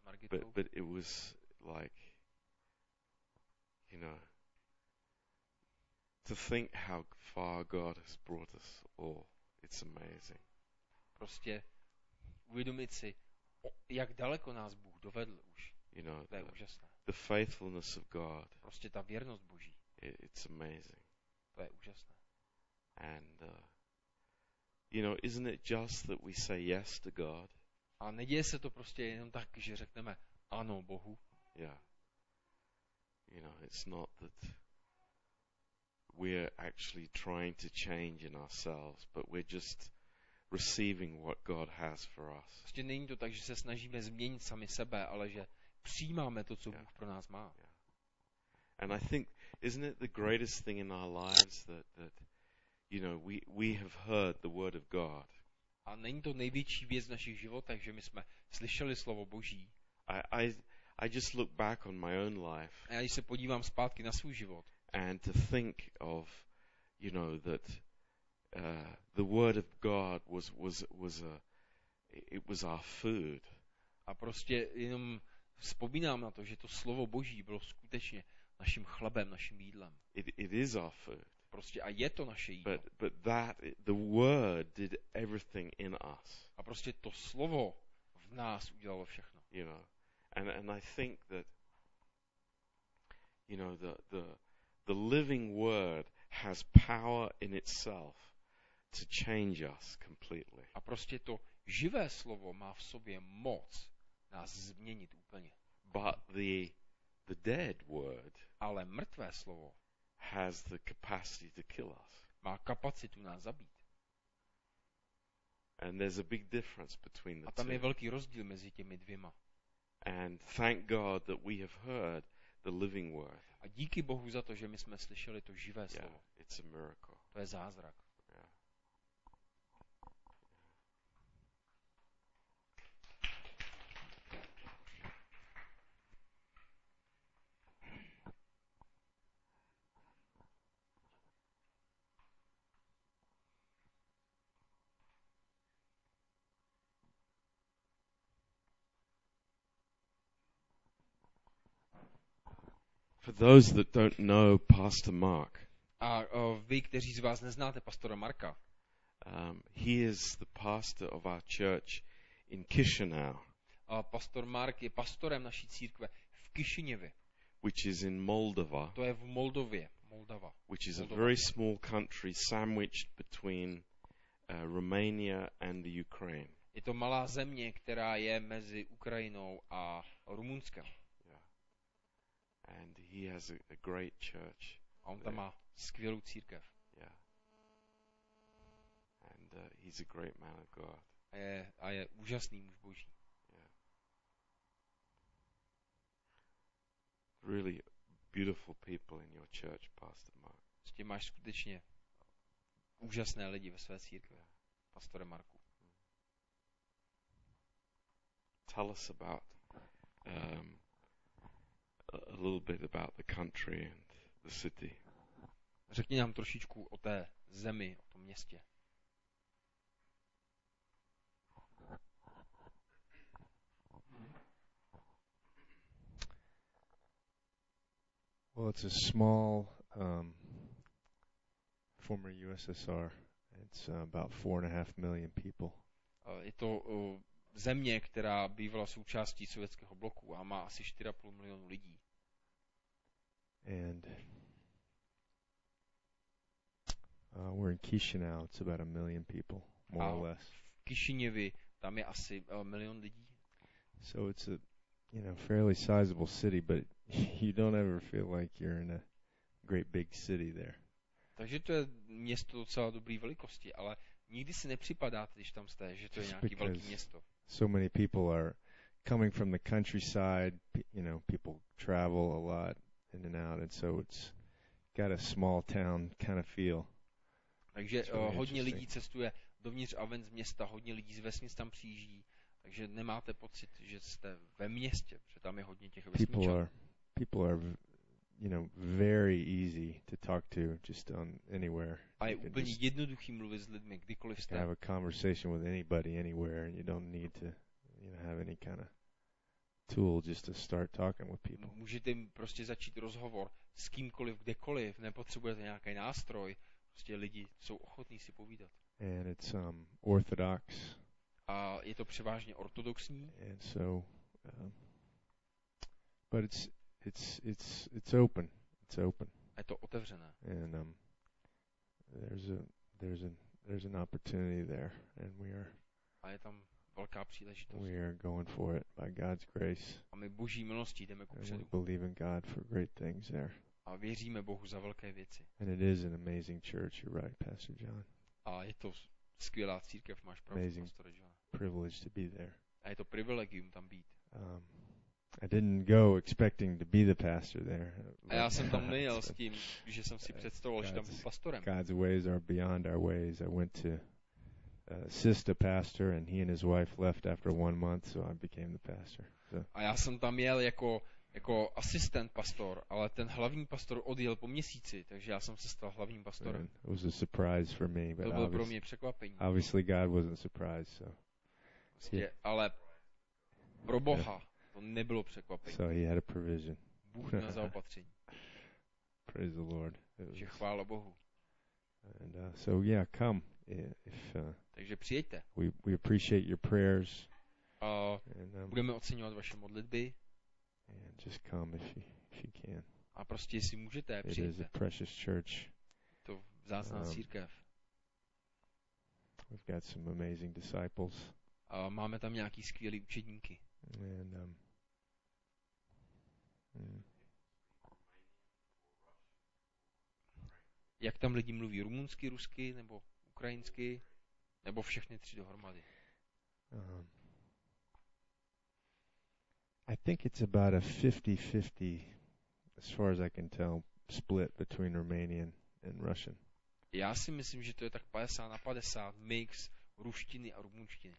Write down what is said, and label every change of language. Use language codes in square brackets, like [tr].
[en] But it was like, you know, to think how far God has brought us all, it's amazing. [cs] Prostě uvědomit si, jak daleko nás Bůh dovedl už. [en] You know, [cs] to je úžasné. [en] The faithfulness of God. [cs] Prostě ta věrnost Boží. [en] It's amazing. [cs] To je úžasné. [en] And you know, isn't it just that we say yes to God? [cs] A neděje se to prostě jenom tak, že řekneme ano Bohu. [en] Yeah. You know, it's not that we're actually trying to change in ourselves, but we're just receiving what God has for us. [cs] Prostě není to tak, že se snažíme změnit sami sebe, ale že přijímáme to, co Bůh pro nás má. [en] Yeah. And I think, isn't it the greatest thing in our lives that you know, we have heard the word of God. [cs] A není to největší věc v našich životech, že my jsme slyšeli slovo Boží. [en] I just look back on my own life. [cs] A já se podívám zpátky na svůj život. [en] And to think of, you know, that the word of God was our food. [cs] A prostě jenom vzpomínám na to, že to slovo Boží bylo skutečně naším chlebem, naším jídlem. [en] It is our food. [cs] Prostě a je to naše jídlo. [en] But that the word did everything in us. [cs] A prostě to slovo v nás udělalo všechno. [en] You know, and I think that, you know, the living word has power in itself to change us completely. [cs] A prostě to živé slovo má v sobě moc nás změnit úplně. [en] But the dead word. [cs] Ale mrtvé slovo. [en] Has the capacity to kill us. [cs] Má kapacitu nás zabít. [en] And there's a big difference between the two. [cs] A tam je velký rozdíl mezi těmi dvěma. [en] And thank God that we have heard the living word. [cs] A díky Bohu za to, že my jsme slyšeli to živé slovo. [en] Yeah, it's a miracle. [cs] To je zázrak. [en] Yeah. For those that don't know Pastor Mark. [cs] A vy, kteří z vás neznáte pastora Marka. [en] He is the pastor of our church in Chisinau. [cs] A pastor Mark je pastorem naší církve v Kišiněvě. [en] Which is in Moldova. [cs] To je v Moldově, Moldava. [en] Which is Moldova. A very small country sandwiched between Romania and the Ukraine. [cs] Je to malá země, která je mezi Ukrajinou a Rumunskem. [en] And he has a great church. [cs] A on tam má skvělou církev. [en] Yeah. And he's a great man of God. [cs] A je úžasný muž Boží. [en] Yeah. Really beautiful people in your church, Pastor Mark. [cs] Máš skutečně úžasné lidi ve své církvi. Pastore Marku. [en] Tell us about a little bit about the country and the city. [cs] Řekni nám trošičku o té zemi, o tom městě. [en] Well, it's a small former USSR. It's about 4.5 million people. [cs] Je to země, která bývala součástí sovětského bloku a má asi 4.5 milionu lidí. [en] And we're in Chisinau. It's about 1 million people, more or less. [cs] V Kišiněvi tam je asi milion lidí. [en] So it's a, you know, fairly sizable city, but you don't ever feel like you're in a great big city there. [cs] Takže to je město docela dobrý velikosti, ale nikdy si nepřipadáte, když tam jste, že to je nějaký velký město. [en] So many people are coming from the countryside, you know, people travel a lot in and out, and so it's got a small town kind of feel. [cs] Takže hodně lidí cestuje dovnitř a ven z města, hodně lidí z vesnic tam přijíždí. Takže nemáte pocit, že jste ve městě, že tam je hodně těch vesničanů. [en] People are, you know, very easy to talk to just on anywhere. [cs] A je úplně jednoduchý mluvit s lidmi, kdykoliv jste. [en] Have a conversation with anybody anywhere and you don't need to, you know, have any kind of tool just to start talking with people. [cs] Můžete prostě začít rozhovor s kýmkoliv, kdekoliv, nepotřebujete nějaký nástroj, prostě lidi jsou ochotní si povídat. [en] And it's orthodox. [cs] A je to převážně ortodoxní. [en] And so but it's open. It's open. [cs] A je to otevřené. [en] And there's an opportunity there and we are. [cs] A je tam velká příležitost. [en] We are going for it by God's grace. [cs] A my Boží milostí jdeme kupředu. [en] We believe in God for great things there. [cs] A věříme Bohu za velké věci. [en] And it is an amazing church, you're right, Pastor John. [cs] A je to skvělá církev, máš pravdu, [en] amazing [cs] pastore John. [en] Privilege to be there. [cs] A je to privilegium tam být. [en] I didn't go expecting to be the pastor there. [cs] A já jsem tam nejel s tím, že jsem si představoval, že tam budu pastorem. [en] God's ways are beyond our ways. I went to assist a pastor and he and his wife left after 1 month, so I became the pastor. So. [cs] A já jsem tam jel jako asistent pastor, ale ten hlavní pastor odjel po měsíci, takže já jsem se stal hlavním pastorem. [en] And it was a surprise for me, [cs] to bylo pro mě překvapení. [en] Obviously God wasn't surprised, so. [cs] Ale pro Boha to nebylo překvapení. [en] So he had a provision. [cs] Bůh měl zaopatření. [en] Praise the Lord. [cs] Že chvála Bohu. [en] And so yeah, come if. [cs] Takže přijďte. [en] We appreciate your prayers. [cs] Budeme oceňovat vaše modlitby. [en] And just come if you can. [cs] A prostě jestli můžete, přijďte. [en] It is a precious church. [cs] To vzácná církev. [en] We've got some amazing disciples. [cs] A máme tam nějaký skvělý učedníky. [en] And, [cs] Jak tam lidi mluví? Rumunsky, rusky nebo ukrajinsky? Nebo všechny tři dohromady? [en] I think it's about a 50-50, as far as I can tell, split between Romanian and Russian. [cs] Já si myslím, že to je tak 50-50 mix ruštiny a rumunštiny.